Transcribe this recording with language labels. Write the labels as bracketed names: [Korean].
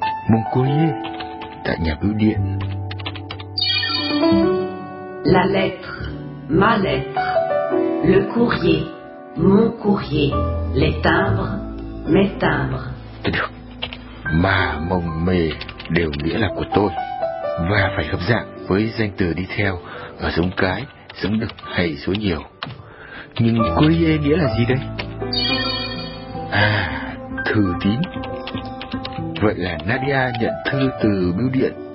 [French] Mon courrier, [Vietnamese] tại nhà bưu điện. [French] La lettre, ma lettre. Le courrier, mon courrier. Les timbres, mes timbres. [Vietnamese] Thế được. Ma, mông, mê đều nghĩa là của tôi. Và phải hợp dạng với danh từ đi theo ở giống cái, giống đực hay số nhiều. Nhưng courrier nghĩa là gì đây? À, thư tín. Vậy là Nadia nhận thư từ bưu điện